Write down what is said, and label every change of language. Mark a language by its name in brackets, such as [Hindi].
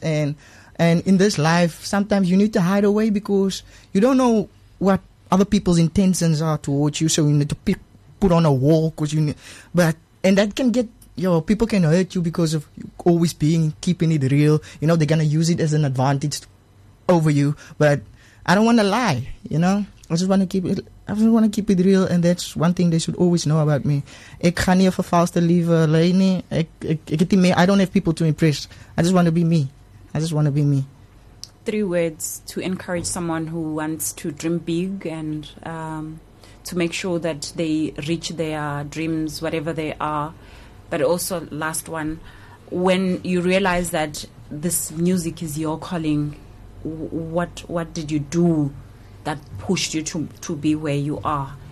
[English] And in this life, sometimes you need to hide away because you don't know what other people's intentions are towards you. So you need to put on a wall because you need, but, and that can get, you know, people can hurt you because of you always being, keeping it real. You know, they're going to use it as an advantage over you. But I don't want to lie, you know. I just want to keep it real. And that's one thing they should always know about me. [Afrikaans] Ek gaan nie vervalste liefde lê nie. Ek het nie meer, [English] I don't have people to impress. I just want to be me. Three words to encourage someone who wants to dream big and to make sure that they reach their dreams, whatever they are. But also, last one, when you realize that this music is your calling, what did you do that pushed you to be where you are?